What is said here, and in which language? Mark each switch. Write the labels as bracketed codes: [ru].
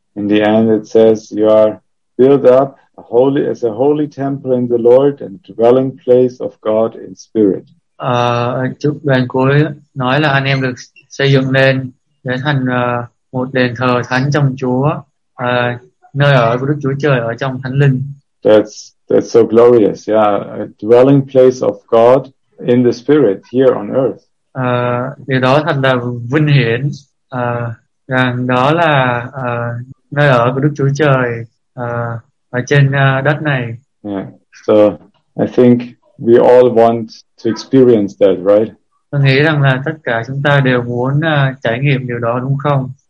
[en] In the end it says you are built up as a holy temple in the Lord and dwelling place of God in spirit. [vi] Đoạn cuối nói là anh em được xây dựng lên để thành một đền thờ thánh trong Chúa, nơi ở của Đức Chúa Trời ở trong Thánh Linh. [en] That's so glorious. Yeah, a dwelling place of God in the spirit here on earth. [vi] Điều đó thật là vinh hiển. Rằng đó là nơi ở của Đức Chúa Trời ở trên đất này. [en] Yeah. So I think we all want to experience that, right? [vi] Tôi nghĩ rằng là tất cả chúng ta đều muốn trải nghiệm điều đó đúng không?